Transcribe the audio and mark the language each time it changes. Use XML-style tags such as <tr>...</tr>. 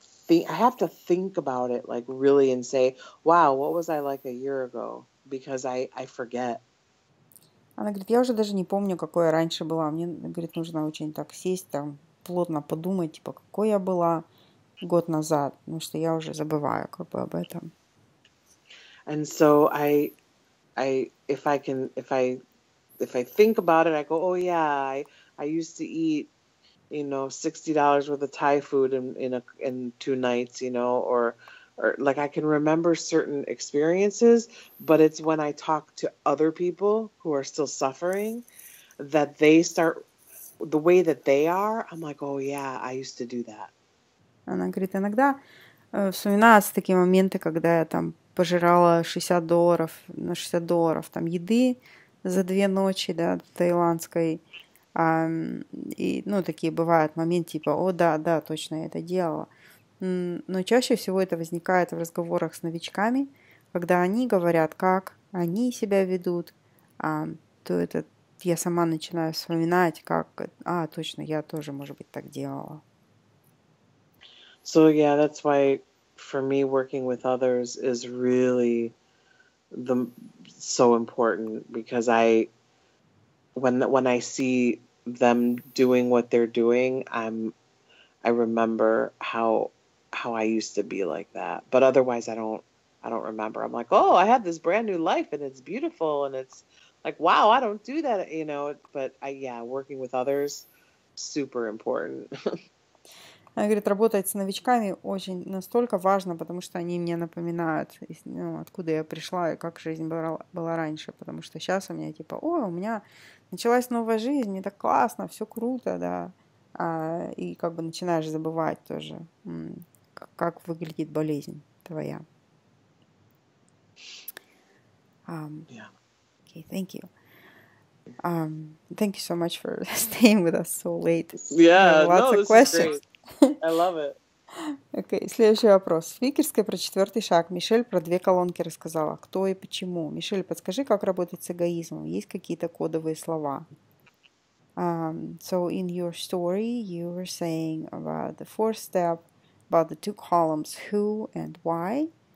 <en>I have to think about it, like, really, and say, wow, what was I like a year ago? Because I forget.</en> <ru>Она говорит, я уже даже не помню, какой я раньше была. Мне, говорит, нужно очень так сесть, там, плотно подумать, типа, какой я была год назад, потому что я уже забываю как бы об этом.</ru> <en>And so if I think about it, I go, oh yeah, I used to eat, you know, $60 worth of Thai food in two nights, you know, or like I can remember certain experiences, but it's when I talk to other people who are still suffering that they start the way that they are. I'm like, oh yeah, I used to do that.</en> <ru>Она говорит, иногда вспоминаются такие моменты, когда я там пожирала $60 там еды за две ночи, да, таиландской. Ну, такие бывают моменты, типа, о, да, да, точно я это делала. Но чаще всего это возникает в разговорах с новичками, когда они говорят, как они себя ведут, то это я сама начинаю вспоминать, как, а, точно, я тоже, может быть, так делала.</ru> <en>So yeah, that's why for me working with others is really so important, because when I see them doing what they're doing, I remember how I used to be like that. But otherwise I don't remember. I'm like, oh, I have this brand new life and it's beautiful and it's like, wow, I don't do that, you know. But I yeah, working with others, super important.</en> <ru>Она говорит, работать с новичками очень настолько важно, потому что они мне напоминают, ну, откуда я пришла и как жизнь была раньше. Потому что сейчас у меня типа, ой, у меня началась новая жизнь, мне так классно, все круто, да. И как бы начинаешь забывать тоже, как выглядит болезнь твоя.</ru> <en>Yeah. Okay, thank you. Thank you so much for staying with us so late. Yeah, lots of questions. I love it.</en> <ru>Okay, следующий вопрос. Спикерская про четвертый шаг. Мишель про две колонки рассказала. Кто и почему? Мишель, подскажи, как работать с эгоизмом? Есть какие-то кодовые слова?</ru> <en>So in your story, you were saying about the fourth step, about the two columns, who and why.</en>